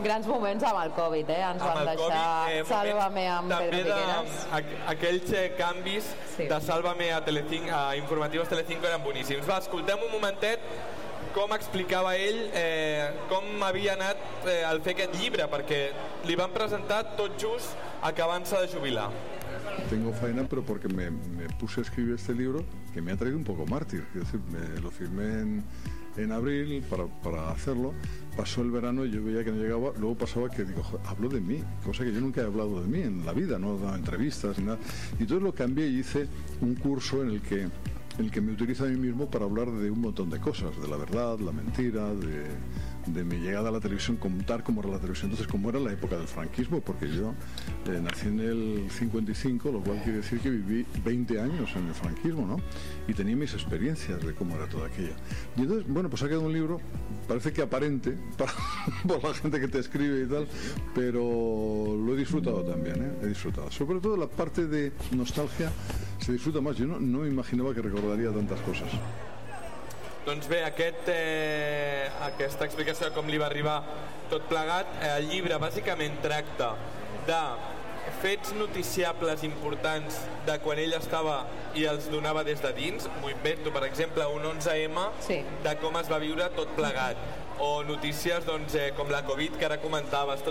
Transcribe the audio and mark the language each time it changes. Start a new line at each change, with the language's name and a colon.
Catalan: Grans moments amb el Covid, ens amb van deixar Covid, Sálvame amb Pedro Piqueras. Aquells canvis de Sálvame a Telecinco, a Informatius Telecinco, eren boníssims. Va, escoltem un momentet com explicava ell com havia anat el fer aquest llibre, perquè li van presentar tot just acabant-se de jubilar.
Spanish: Tengo faena, pero porque me puse a escribir este libro, que me ha traído un poco mártir. Es decir, me lo firmé en abril para hacerlo. Pasó el verano y yo veía que no llegaba. Luego pasaba que digo, joder, hablo de mí, cosa que yo nunca he hablado de mí en la vida, no he dado entrevistas ni nada. Y entonces lo cambié y hice un curso en el que me utilizo a mí mismo para hablar de un montón de cosas, de la verdad, la mentira, de mi llegada a la televisión, contar cómo era la televisión, entonces cómo era la época del franquismo, porque yo nací en el 55, lo cual quiere decir que viví 20 años en el franquismo, ¿no? Y tenía mis experiencias de cómo era todo aquello. Y entonces, bueno, pues ha quedado un libro, parece que aparente, por la gente que te escribe y tal, pero lo he disfrutado también, ¿eh? He disfrutado. Sobre todo la parte de nostalgia se disfruta más, yo no me imaginaba que recordaría tantas cosas.
Catalan: Doncs bé, aquesta explicació de com li va arribar tot plegat, el llibre bàsicament tracta de fets noticiables importants de quan ell estava i els donava des de dins, m'ho invento, per exemple, un 11M, sí, de com es va viure tot plegat, o notícies doncs, com la Covid, que ara comentaves.